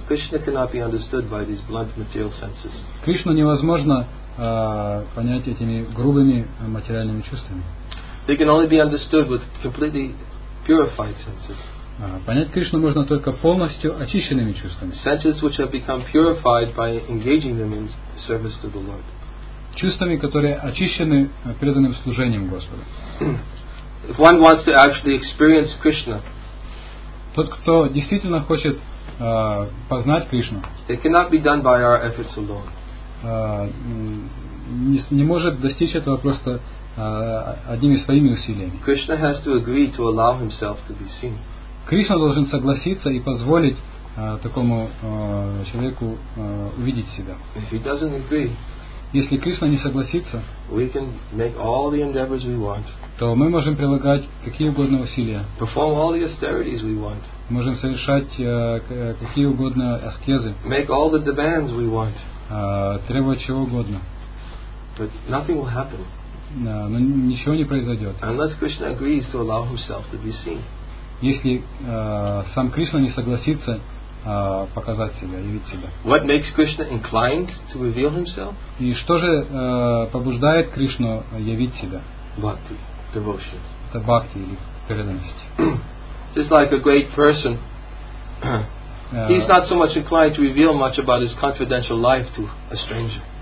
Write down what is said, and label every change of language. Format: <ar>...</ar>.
<en>Krishna cannot be understood by these blunt material senses.</en> <ru>Кришну невозможно понять этими грубыми материальными чувствами.</ru> <en>They can only be understood with completely purified senses.</en> <ru>Понять Кришну можно только полностью очищенными чувствами.</ru> <en>Senses which have become purified by engaging them in service to the Lord.</en> <ru>Чувствами, которые очищены преданным служением Господу.</ru> <en>If one wants to actually experience Krishna,</en> <ru>тот, кто действительно хочет познать Кришну,</ru> <en>it cannot be done by our efforts alone.</en> <ru>Не может достичь этого просто одними своими усилиями.</ru> <en>Krishna has to agree to allow himself to be seen.</en> <ru>Кришна должен согласиться и позволить такому человеку увидеть себя.</ru> <en>If he doesn't agree,</en> <ru>если Кришна не согласится,</ru> <en>we can make all the endeavors we want.</en> <ru>То мы можем прилагать какие угодно усилия.</ru> <en>Perform all the austerities we want.</en> <ru>Можем совершать какие угодно аскезы.</ru> <en>Make all the demands we want.</en> <ru>Требовать чего угодно.</ru> <en>But nothing will happen.</en> <ru>Но ничего не произойдет.</ru> <en>Unless Krishna agrees to allow himself to be seen.</en> <ru>Если сам Кришна не согласится показать себя, явить себя.</ru> <en>What makes Krishna inclined to reveal himself?</en> <ru>И что же побуждает Кришну явить себя?</ru> <en>Bhakti, devotion.</en> <ru>Это бхакти или преданность.</ru> <en>Just like a great person, he's not so much inclined to reveal much about his confidential life to a stranger.</en>